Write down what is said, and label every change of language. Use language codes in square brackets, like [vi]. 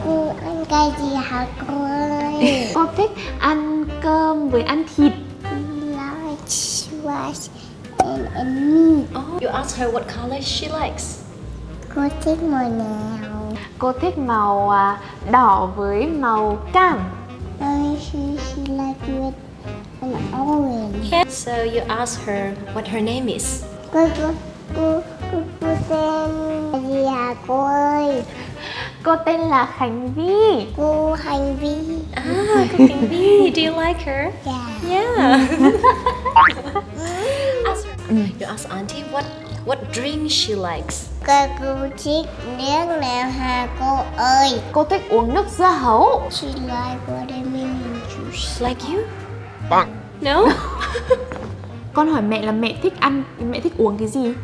[vi] Cô ăn cái gì hả con? Cô thích ăn cơm với ăn thịt. [en] Large, large, and meat. Oh, you ask her what color she likes. [vi] Cô thích màu nào? Cô thích màu đỏ với màu cam. [en] Oh, she likes with an orange. So you ask her what her name is. [vi] Cô tên gì hả cô ơi? Cô tên là Khánh Vy. Cô Khánh Vy. [en] Khánh Vy. Do you like her? Yeah. Yeah. Ask, you ask auntie what drink she likes. [vi] Cô thích nước nào hả cô ơi? Cô thích uống nước dưa hấu. [en] She like watermelon juice. Like you? [vi] Bạn. [en] No? [vi] Con hỏi mẹ là mẹ thích ăn, mẹ thích uống cái gì?